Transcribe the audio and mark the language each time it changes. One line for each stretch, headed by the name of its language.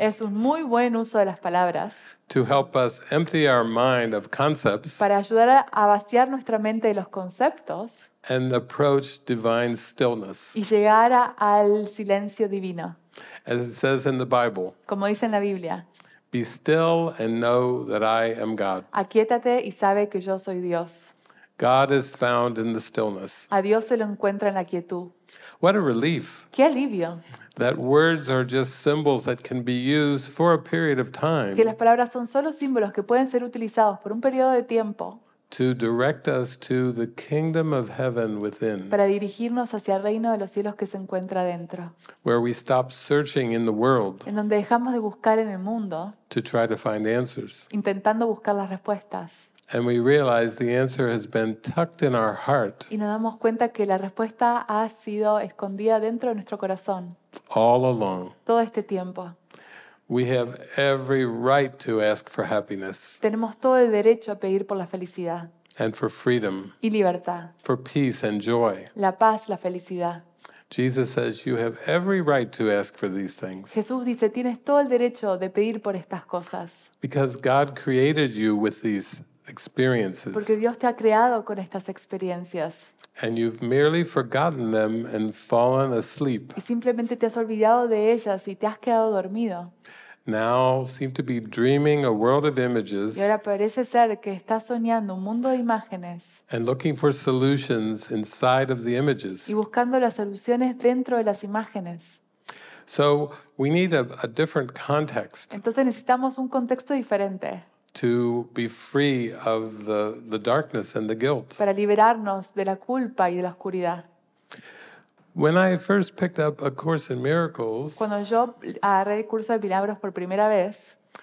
Spanish: es un muy buen uso de las palabras,
English: to help us empty our mind of concepts,
Spanish: para ayudar a vaciar nuestra mente de los conceptos,
English: and approach divine stillness,
Spanish: y llegar al silencio divino,
English: as it says in the Bible,
Spanish: como dice en la Biblia,
English: be still and know that I am God,
Spanish: aquiétate y sabe que yo soy Dios.
English: God is found in the stillness.
Spanish: A Dios se lo encuentra en la quietud.
English: What a relief.
Spanish: Qué alivio.
English: That words are just symbols that can be used for a period of time.
Spanish: Que las palabras son solo símbolos que pueden ser utilizados por un periodo de tiempo.
English: To direct us to the kingdom of heaven within.
Spanish: Para dirigirnos hacia el reino de los cielos que se encuentra dentro.
English: Where we stop searching in the world.
Spanish: En donde dejamos de buscar en el mundo.
English: To try to find answers.
Spanish: Intentando buscar las respuestas.
English: And we realize the answer has been tucked in our heart.
Spanish: Y nos damos cuenta que la respuesta ha sido escondida dentro de nuestro corazón.
English: All along.
Spanish: Todo este tiempo.
English: We have every right to ask for happiness.
Spanish: Tenemos todo el derecho a pedir por la felicidad.
English: And for freedom.
Spanish: Y libertad.
English: For peace and joy.
Spanish: La paz, la felicidad.
English: Jesus says you have every right to ask for these things.
Spanish: Jesús dice, tienes todo el derecho de pedir por estas cosas.
English: Because God created you with these experiences.
Spanish: Porque Dios te ha creado con estas experiencias.
English: And you've merely forgotten them and fallen asleep.
Spanish: Y simplemente te has olvidado de ellas y te has quedado dormido.
English: Now seem to be dreaming a world of images.
Spanish: Y ahora parece ser que estás soñando un mundo de imágenes.
English: And looking for solutions inside of the images.
Spanish: Y buscando las soluciones dentro de las imágenes.
English: So we need a different context.
Spanish: Entonces necesitamos un contexto diferente.
English: To be free of the darkness and the guilt.
Spanish: Para liberarnos de la culpa y de la oscuridad.
English: When I first picked up A Course in Miracles,
Spanish: cuando yo agarré el curso de milagros por primera vez,